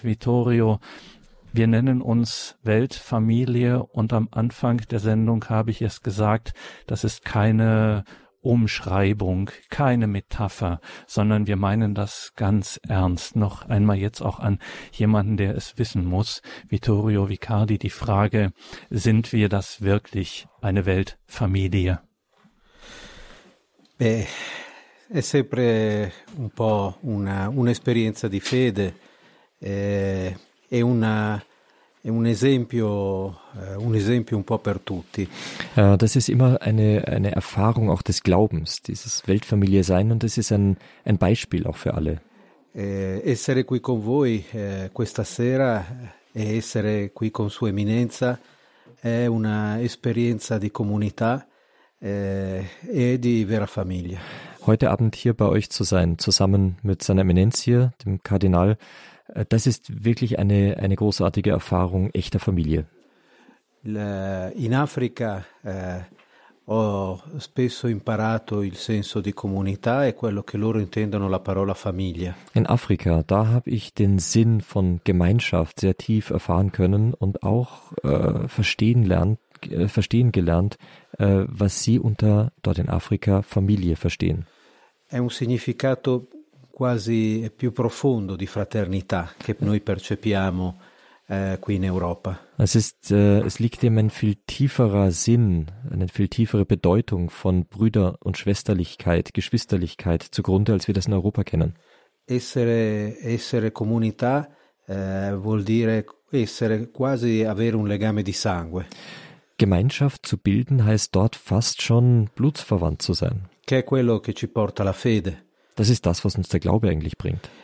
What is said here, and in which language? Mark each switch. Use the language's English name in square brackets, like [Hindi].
[German] Vittorio, wir nennen uns Weltfamilie und am Anfang der Sendung habe ich es gesagt, das ist keine Umschreibung, keine Metapher, sondern wir meinen das ganz ernst. Noch einmal jetzt auch an jemanden, der es wissen muss, Vittorio Vicardi, die Frage, sind wir das wirklich, eine Weltfamilie? [Italian] Beh, è sempre un po' un'esperienza di fede. È un esempio un po' per tutti. [German] Das ist immer eine Erfahrung auch des Glaubens, dieses Weltfamilie sein, und das ist ein Beispiel auch für alle. [Italian] Essere qui con voi questa sera e essere qui con Sua Eminenza è una esperienza di comunità e di vera famiglia. [German] Heute Abend hier bei euch zu sein, zusammen mit seiner Eminenz hier, dem Kardinal, das ist wirklich eine großartige Erfahrung echter Familie. [Italian] In Africa ho spesso imparato il senso di comunità e quello che loro intendono la parola famiglia. [German] In Afrika, da habe ich den Sinn von Gemeinschaft sehr tief erfahren können und auch verstehen gelernt, was sie unter dort in Afrika Familie verstehen. [Italian] È un significato quasi più profondo di fraternità che noi percepiamo qui in Europa. [German] Es ist es liegt dem ein viel tieferer Sinn, eine viel tiefere Bedeutung von Brüder- und Schwesterlichkeit, Geschwisterlichkeit zugrunde, als wir das in Europa kennen. [Italian] Essere comunità vuol dire essere quasi avere un legame di sangue. [German] Gemeinschaft zu bilden heißt dort fast schon blutsverwandt zu sein. [Italian] Che è quello che ci porta la fede. [German] Das ist das, was uns der Glaube eigentlich bringt.